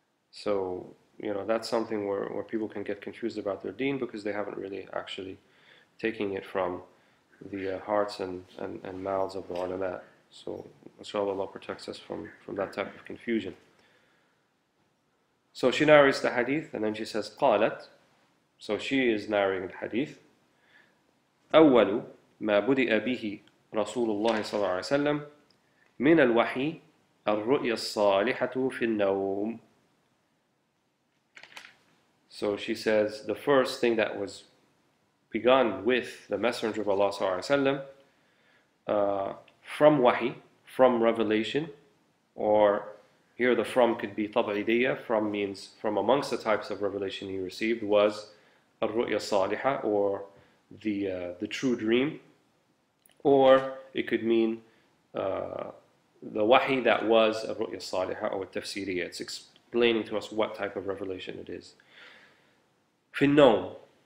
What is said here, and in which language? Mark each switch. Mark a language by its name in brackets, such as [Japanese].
[English] So, you know, that's something where people can get confused about their deen, because they haven't really actually taking it from the hearts and mouths of the ulama. So inshallah Allah protects us from that type of confusion. So she narrates the hadith and then she says, قالت. So she is narrating the hadith. [Arabic] أول ما بدأ به رسول الله صلى الله عليه وسلم من الوحي الرؤيا الصالحة في النوم. [English] So she says, the first thing that was begun with the Messenger of Allah [Arabic] صلى الله عليه [English] وسلم, from wahi, from revelation, or here the from could be tab'idiyya, from means from amongst the types of revelation he received, was al-ru'ya saliha, or the true dream, or it could mean the wahi that was al-ru'ya saliha, or tafsiriyya, it's explaining to us what type of revelation it is. Finnom.